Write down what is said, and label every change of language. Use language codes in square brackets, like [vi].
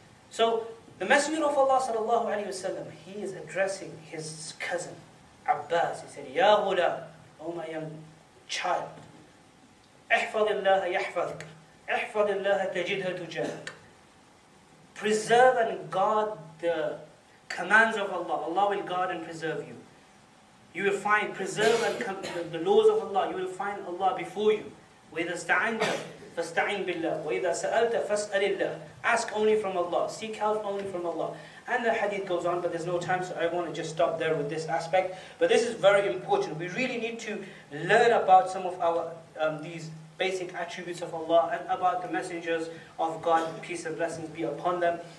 [en] So the Messenger of Allah sallallahu alayhi wa sallam, he is addressing his cousin, Abbas, he said, [ar] Ya Ghulam, [en] O my young child, [ar] احفظ الله يحفظك احفظ الله تجده تجاهك. [en] preserve and guard the commands of Allah. Allah will guard and preserve you. You will find, preserve and the laws of Allah. You will find Allah before you. [ar] وَإِذَا اسْتَعَنْتَ فَاسْتَعِنْ بِاللَّهِ وَإِذَا سَأَلْتَ فَاسْأَلِ اللَّهِ [en] Ask only from Allah. Seek help only from Allah. And the hadith goes on, but there's no time, so I want to just stop there with this aspect. But this is very important. We really need to learn about some of our these basic attributes of Allah and about the messengers of God, peace and blessings be upon them.